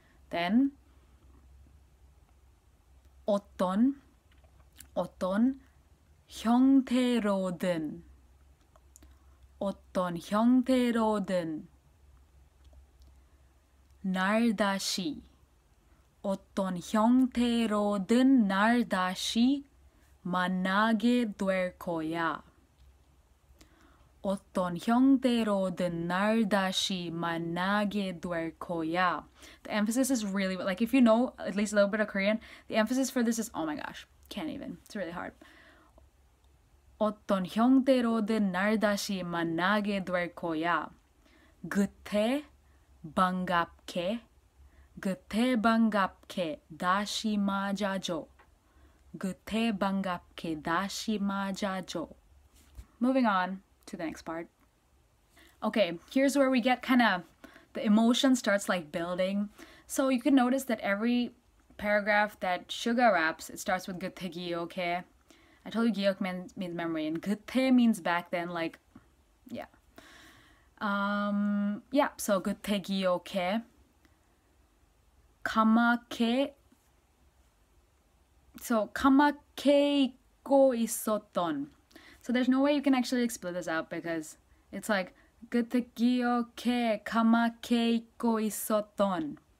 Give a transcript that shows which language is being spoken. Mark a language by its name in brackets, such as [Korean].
[Korean] Then 어떤 형태로든 어떤 형태로든 날 다시 어떤 형태로든 날 다시 만나게 될 거야. 어떤 형태로든 날 다시 만나게 될 거야. [English] The emphasis is really, like, if you know at least a little bit of Korean, the emphasis for this is, oh my gosh, can't even. It's really hard. [Korean] 어떤 형태로든 날 다시 만나게 될 거야. 그때 반갑게 다시 맞아줘. 그때 반갑게 다시 맞아줘. [English] Moving on to the next part. Okay, here's where we get kind of, the emotion starts like building. So you can notice that every paragraph that Suga raps, it starts with [Korean] 그때 기억해. [English] I told you 기억 means memory, and 그때 means back then, like, yeah. Yeah, so [Korean] 그때 기억해. 까맣게. So 까맣게 잊고 있었던. [English] So there's no way you can actually split this out because it's like [Korean] 그때 기억해 까맣게 잊고 있었던.